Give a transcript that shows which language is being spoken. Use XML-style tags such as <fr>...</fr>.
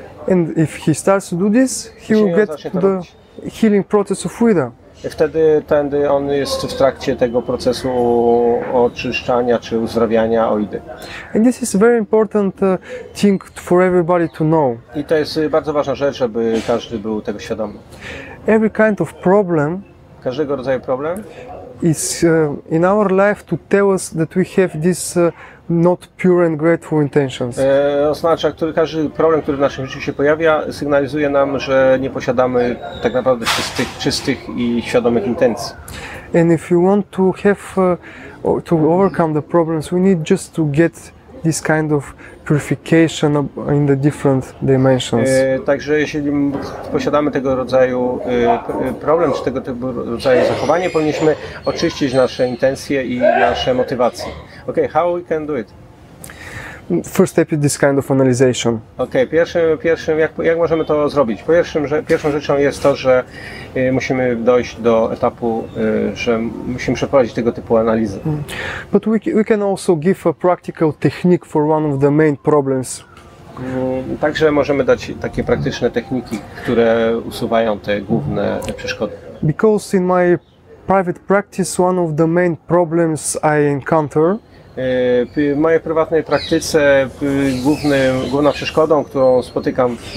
<en>And if he starts to do this, he will get the healing process of Wida.</en> <pl>Wtedy on jest w trakcie tego procesu oczyszczania czy uzdrawiania Oidy.</pl> <en>And this is very important thing for everybody to know.</en> <pl>I to jest bardzo ważna rzecz, żeby każdy był tego świadomy.</pl> <en>Every kind of problem,</en> <pl>każdego rodzaju problem,</pl> <en>is in our life to tell us that we have this not pure and grateful intentions.</en> <pl>Oznacza, każdy problem, który w naszym życiu się pojawia, sygnalizuje nam, że nie posiadamy tak naprawdę czystych i świadomych intencji.</pl> <en>And if you want to have to overcome the problems, we need just to get this kind of purification in the different dimensions.</en> <pl>Także jeśli posiadamy tego rodzaju problem, czy tego typu rodzaju zachowanie, powinniśmy oczyścić nasze intencje i nasze motywacje.</pl> <en>Okay, how we can do it? First step is this kind of analyzation.</en> <pl>Okay, pierwszym jak możemy to zrobić? Pierwszą rzeczą jest to, że musimy dojść do etapu, że musimy przeprowadzić tego typu analizy.</pl> <en>But we can also give a practical technique for one of the main problems.</en> <pl>Także możemy dać takie praktyczne techniki, które usuwają te główne przeszkody.</pl> <en>Because in my private practice one of the main problems I encounter.</en> <pl>W mojej prywatnej praktyce główną przeszkodą, którą spotykam,</pl>